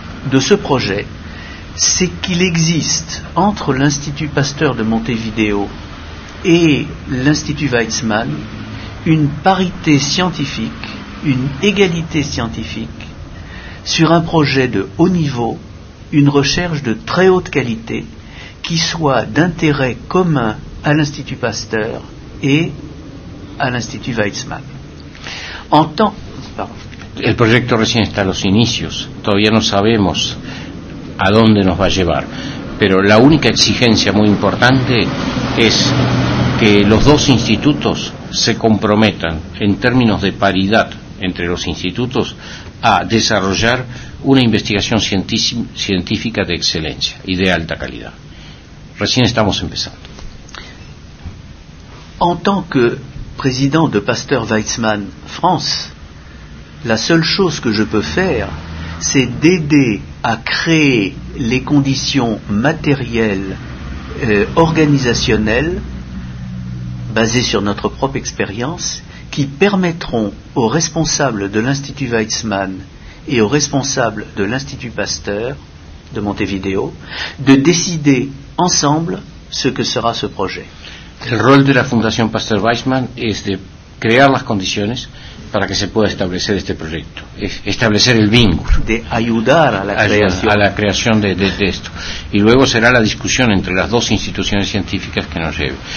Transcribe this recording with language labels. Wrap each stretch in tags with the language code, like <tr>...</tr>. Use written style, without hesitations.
<fr>de ce projet, c'est qu'il existe entre l'Institut Pasteur de Montevideo et l'Institut Weizmann une parité scientifique, une égalité scientifique sur un projet de haut niveau, une recherche de très haute qualité qui soit d'intérêt commun à l'Institut Pasteur et à l'Institut Weizmann. En tant que le projet</fr> <es>recién está a los inicios, todavía no sabemos a dónde nos va a llevar, pero la única exigencia muy importante es que los dos institutos se comprometan en términos de paridad entre los institutos a desarrollar una investigación científica de excelencia y de alta calidad. Recién estamos empezando.</es> <fr>En tant que président de Pasteur Weizmann France, la seule chose que je peux faire, c'est d'aider à créer les conditions matérielles organisationnelles basés sur notre propre expérience, qui permettront aux responsables de l'Institut Weizmann et aux responsables de l'Institut Pasteur de Montevideo de décider ensemble ce que sera ce projet.</fr> <es>El rol de la Fundación Pasteur Weizmann es de crear las condiciones para que se pueda establecer este proyecto, establecer el vínculo. De ayudar a la creación. A la creación de esto. Y luego será la discusión entre las dos instituciones científicas que nos lleve.</es>